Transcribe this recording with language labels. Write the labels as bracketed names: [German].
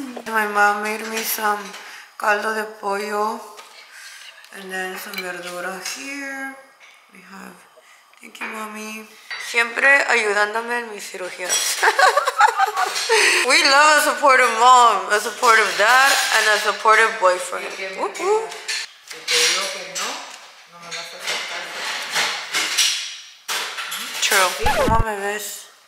[English] My mom made me some [Spanish] caldo de pollo [English] and then some verdura here. We have, thank you, mommy. [Spanish] Siempre ayudándome en mis cirugías. [English] We love a supportive mom, a supportive dad, and a supportive boyfriend. True. [Spanish] ¿Cómo me ves?